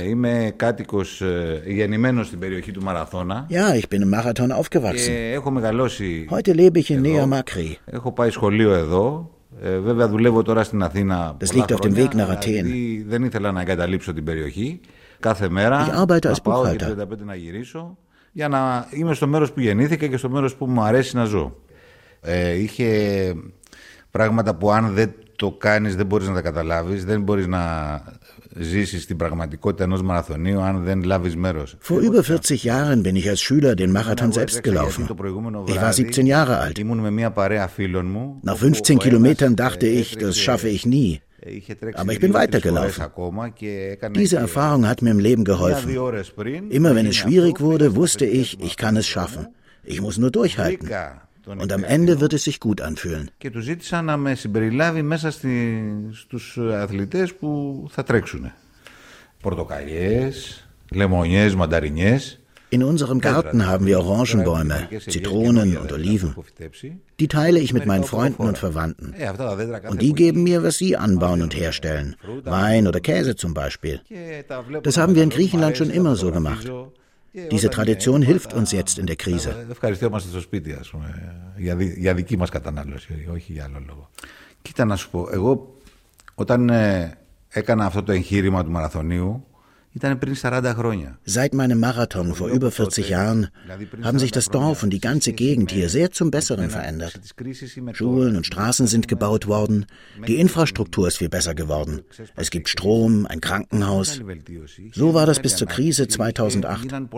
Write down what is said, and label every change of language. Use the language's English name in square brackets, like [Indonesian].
[Greek] Είμαι κάτοικος γεννημένος στην περιοχή του Μαραθώνα. [German] Ja, ich bin im Marathon aufgewachsen. [Greek] Και έχω μεγαλώσει. [German] Heute lebe ich in Niamakri. [Greek] Έχω πάει σχολείο εδώ. Βέβαια δουλεύω τώρα στην Αθήνα. [German] Das liegt auf dem Weg nach Athen. [Greek] Δεν ήθελα να εγκαταλείψω την περιοχή. Κάθε μέρα. [German] Ich arbeite als Buchhalter. [Greek] Να πάω 35 να γυρίσω. Για να είμαι στο μέρος που γεννήθηκα και στο μέρος που μου αρέσει να ζω. Είχε πράγματα που αν δεν το κάνεις δεν μπορείς να τα καταλάβεις, δεν μπορείς να ζήσεις την πραγματικότητα ενός μαραθωνίου αν δεν λάβεις μέρος. [German] Vor über 40 Jahren bin ich als Schüler den Marathon selbst gelaufen. Ich war 17 Jahre alt. [Greek] Ήμουν με μια παρέα φίλων μου. [German] Nach 15 Kilometern dachte ich, das schaffe ich nie. Aber ich bin weitergelaufen. Diese Erfahrung hat mir im Leben geholfen. Immer wenn es schwierig wurde, wusste ich, ich kann es schaffen. Ich muss nur durchhalten. Und am Ende wird es sich gut anfühlen. [Greek] Και του ζήτησα να με συμπεριλάβει μέσα στους αθλητές που θα τρέξουν. Πορτοκαλιές, λεμονιές, μανταρινιές. [German] In unserem Garten haben wir Orangenbäume, Zitronen und Oliven. Die teile ich mit meinen Freunden und Verwandten. Und die geben mir, was sie anbauen und herstellen. Wein oder Käse zum Beispiel. Das haben wir in Griechenland schon immer so gemacht. Diese Tradition hilft uns jetzt in der Krise. [Greek] Ευχαριστούμαστε στο σπίτι, ας πούμε, για δική μας κατανάλωση, όχι για άλλο λόγο. Κοίτα να σου πω, εγώ όταν έκανα αυτό το εγχείρημα του μαραθωνίου, ήταν πριν 40 χρόνια. [German] Seit meinem Marathon vor über 40 Jahren haben sich das Dorf und die ganze Gegend hier sehr zum Besseren verändert. Schulen und Straßen sind gebaut worden, die Infrastruktur ist viel besser geworden. Es gibt Strom, ein Krankenhaus. So war das bis zur Krise 2008.